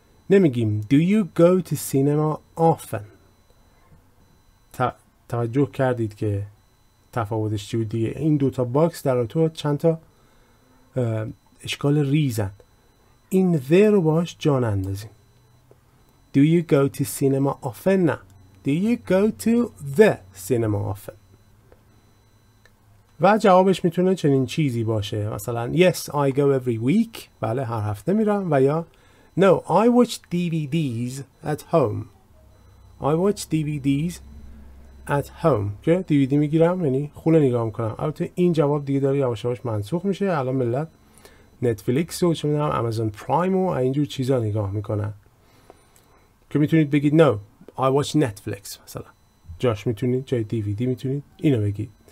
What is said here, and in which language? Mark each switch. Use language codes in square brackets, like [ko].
[fa] نمیگیم [en] Do you go to cinema often؟ [fa] توجه کردید که تفاوتش چی بودیه؟ این دوتا باکس در تو چند تا اشکال ریزن. این ذه رو باش جان اندازیم. [en] Do you go to cinema often? [fa] نه. [en] Do you go to the cinema often? [fa] و جوابش میتونه چنین چیزی باشه. مثلا [en] Yes, I go every week. [fa] بله، هر هفته میرم. [en] و یا No, I watch DVDs at home. I watch DVDs at home. [fa] که DVD میگیرم، یعنی خونه نگاه میکنم. البته این جواب دیگه داره یواش یواش منسوخ میشه. الان ملت نتفلیکس و چه میدونم امازون پرایم و اینجور چیزا نگاه میکنن. که میتونید بگید [en] No, I watch Netflix [fa] مثلا. جاش میتونید، جای DVD میتونید اینو بگید.